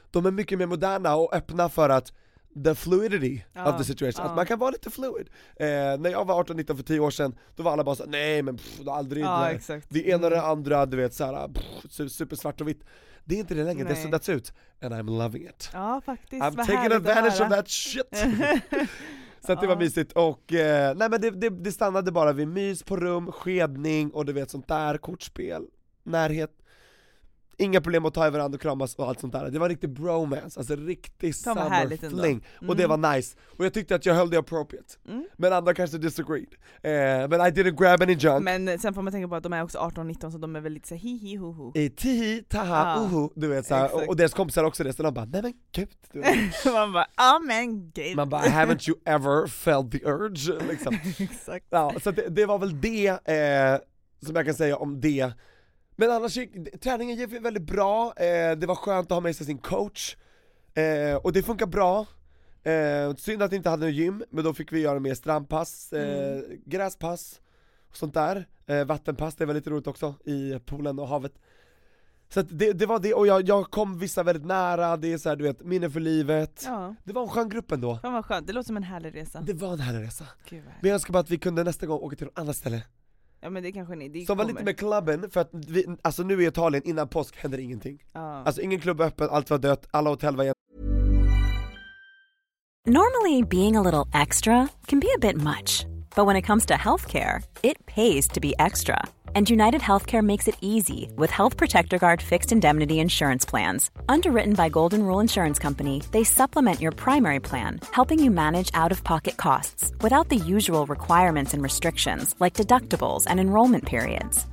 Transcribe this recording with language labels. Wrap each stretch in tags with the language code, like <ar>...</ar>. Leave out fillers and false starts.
<sv>De är mycket mer moderna och öppna för att</sv> <en>the fluidity of the situation.</en> <sv>Att man kan vara lite fluid. När jag var 18-19 för 10 år sedan, då var alla bara så, nej men pff, aldrig. Det ena och det andra, du vet, så här, pff, supersvart och vitt. Det är inte det längre, det är suddats ut.</sv> <en>And I'm loving it.</en> <sv>Ja, faktiskt.</sv> <en>I'm taking advantage of that shit.</en> <sv>Så att det var mysigt. Och nej, men det stannade bara vid mys på rum, skedning och du vet sånt där, kortspel, närhet. Inga problem att ta i varandra och kramas och allt sånt där. Det var riktigt bromance, alltså riktigt</sv> <en>summer fling.</en> <sv>Och det var nice. Och jag tyckte att jag höll det appropriate. Mm. Men andra kanske disagreed.</sv> <en>Men I didn't grab any junk.</en> <sv>Men sen får man tänka på att de är också 18-19, så de är väl lite så hi hi ho ho. Du vet så. Och deras kompisar också det. Så de bara, nej men gud. Man bara, amen gud. Man bara,</sv> <en>haven't you ever felt the urge?</en> <sv>Liksom. Exakt. Ja, så det var väl det som jag kan säga om det. Men annars, träningen gick väldigt bra. Det var skönt att ha med sig sin coach. Och det funkar bra. Synd att vi inte hade någon gym. Men då fick vi göra mer strandpass. Gräspass. Och sånt där. Vattenpass, det är väldigt roligt också. I poolen och havet. Så att det var det. Och jag kom vissa väldigt nära. Det är så här, du vet, minne för livet. Ja. Det var en skön grupp ändå. Det var skönt. Det låter som en härlig resa. Det var en härlig resa. Gud. Men jag önskar bara att vi kunde nästa gång åka till ett annat ställe. Ja, men det kanske ni. Så var lite med klubben, för att vi, alltså nu i Italien innan påsk händer ingenting. Alltså ingen klubb öppen, allt var dött, alla hotell var igen.</sv> <en>Normally being a little extra can be a bit much, but when it comes to healthcare, it pays to be extra. And United Healthcare makes it easy with Health Protector Guard fixed indemnity insurance plans. Underwritten by Golden Rule Insurance Company, they supplement your primary plan, helping you manage out-of-pocket costs without the usual requirements and restrictions like deductibles and enrollment periods.</en>